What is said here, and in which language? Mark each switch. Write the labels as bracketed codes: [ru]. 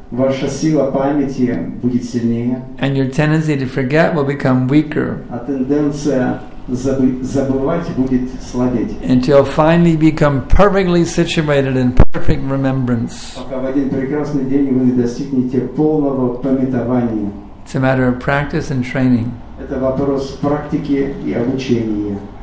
[ru] Ваша сила памяти будет сильнее. [en] And your tendency to forget will become weaker. [ru] А тенденция забывать будет слабеть. [en] Until finally become perfectly situated in perfect remembrance. [ru] Пока в один прекрасный день вы не достигнете полного памятования. [en] It's a matter of practice and training. [ru] Это вопрос практики и обучения.